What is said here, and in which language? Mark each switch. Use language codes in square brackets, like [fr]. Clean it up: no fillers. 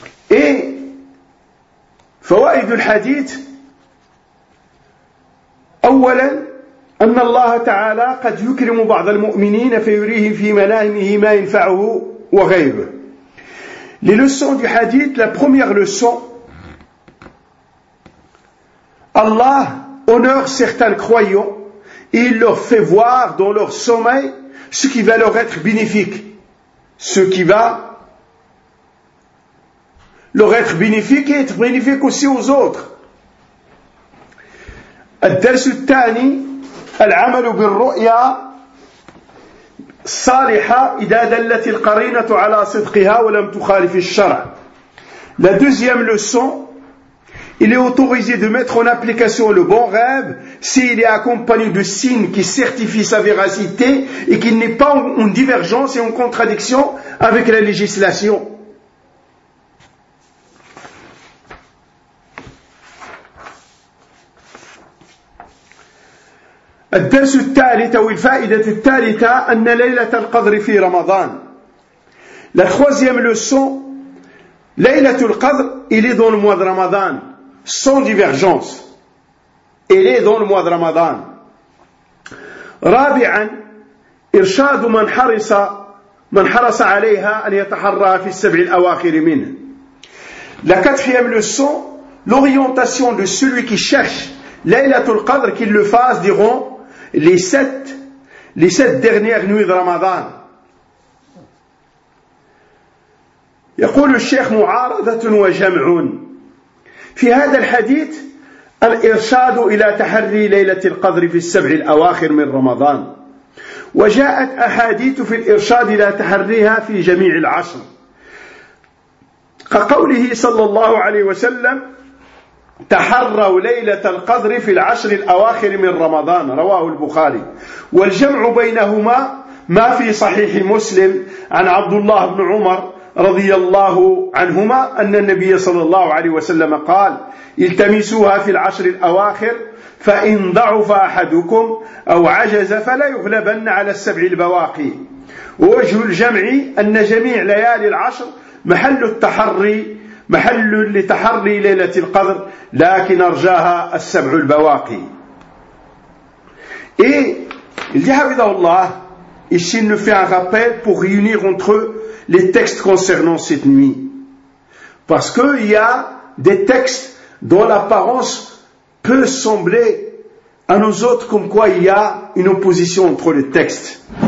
[ar] Et فوائد الحديث أولا أن الله تعالى قد يكرم بعض المؤمنين فيريه في منامه ما ينفعه وغيره. [fr] Les leçons du hadith, la première leçon, Allah honore certains croyants et il leur fait voir dans leur sommeil ce qui va leur être bénéfique, ce qui va leur être bénéfique et être bénéfique aussi aux autres. [ar] الدرس الثاني العمل بالرؤيا صالحة إذا دلت القرينة على صدقها ولم تخالف الشرع. [fr] La deuxième leçon, il est autorisé de mettre en application le bon rêve s'il est accompagné de signes qui certifient sa véracité et qu'il n'est pas en divergence et en contradiction avec la législation. [ar] الدرس الثالث أو الفائدة الثالثة أن ليلة القدر في رمضان. [fr] La troisième leçon, ليلة القدر, il est dans le mois de Ramadan, sans divergence. Il est dans le mois de Ramadan. [ar] رابعا, إرشاد من حرص عليها أن يتحرها في السبع الأواخر منه. [fr] La quatrième leçon, l'orientation de celui qui cherche ليلة القدر, qu'il le fasse, diront, les sept dernières nuits de Ramadan. [ar] يقول الشيخ معارضة وجمع في هذا الحديث الإرشاد إلى تحري ليلة القدر في السبع الأواخر من رمضان وجاءت أحاديث في الإرشاد إلى تحريها في جميع العشر كقوله صلى الله عليه وسلم تحروا ليلة القدر في العشر الأواخر من رمضان رواه البخاري والجمع بينهما ما في صحيح مسلم عن عبد الله بن عمر رضي الله عنهما أن النبي صلى الله عليه وسلم قال التمسوها في العشر الأواخر فإن ضعف أحدكم أو عجز فلا يغلبن على السبع البواقي ووجه الجمع أن جميع ليالي العشر محل التحري محل لتحري ليلة القدر لكن أرجاها السبع البواقي. [fr] Et il dit Havidahullah, ici il nous fait un rappel pour réunir entre eux les textes concernant cette nuit. Parce qu'il y a des textes dont l'apparence peut sembler à nous autres comme quoi il y a une opposition entre les textes.